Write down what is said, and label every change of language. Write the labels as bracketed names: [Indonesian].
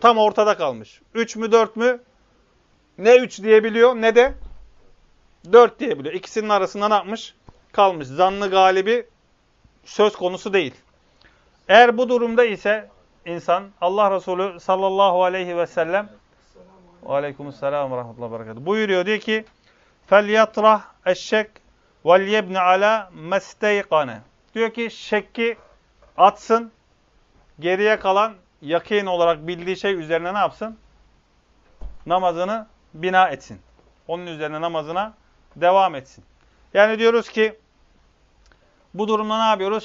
[Turkish] Tam ortada kalmış. 3 mü 4 mü? Ne 3 diyebiliyor ne de 4 diyebiliyor. İkisinin arasında ne yapmış? Kalmış. Zannı galibi söz konusu değil. Eğer bu durumda ise insan Allah Resulü sallallahu aleyhi ve sellem, aleyküm selam ve rahmetullahi ve berekatuhu, buyuruyor. Diyor ki [Arabic] فَلْيَطْرَحْ اَشَّكْ وَلْيَبْنِ عَلَى مَسْتَيْقَنَ. [Turkish] Diyor ki şekki atsın, geriye kalan yakin olarak bildiği şey üzerine ne yapsın? Namazını bina etsin. Onun üzerine namazına devam etsin. Yani diyoruz ki bu durumda ne yapıyoruz?